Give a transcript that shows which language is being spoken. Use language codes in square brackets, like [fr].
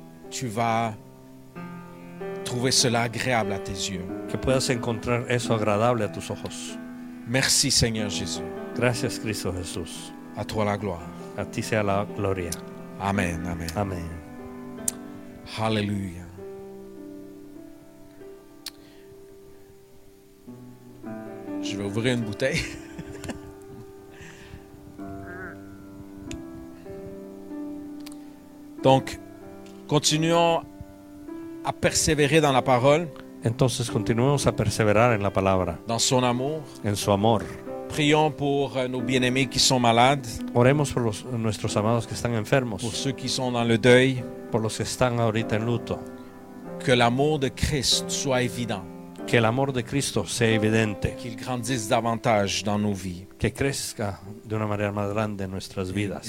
[fr] Tu vas trouver cela agréable à tes yeux. [es] Que puedas encontrar eso agradable a tus ojos. [fr] Merci, Seigneur Jésus. [es] Gracias, Cristo Jesús. [fr] A toi la gloire. [es] A ti sea la gloria. Amen, amen. Amen. Hallelujah. [fr] Je vais ouvrir une bouteille. Donc, continuons à persévérer dans la parole. [es] Entonces, continuemos a perseverar en la palabra. [fr] Dans son amour. [es] En su amor. [fr] Prions pour nos bien-aimés qui sont malades. [es] Oremos por nuestros amados que están enfermos. [fr] Pour ceux qui sont dans le deuil. [es] Por los que están ahorita en luto. [fr] Que l'amour de Christ soit évident. [es] Que el amor de Cristo sea evidente. [fr] Qu'il grandisse davantage dans nos vies. [es] Que crezca de una manera más grande en nuestras vidas.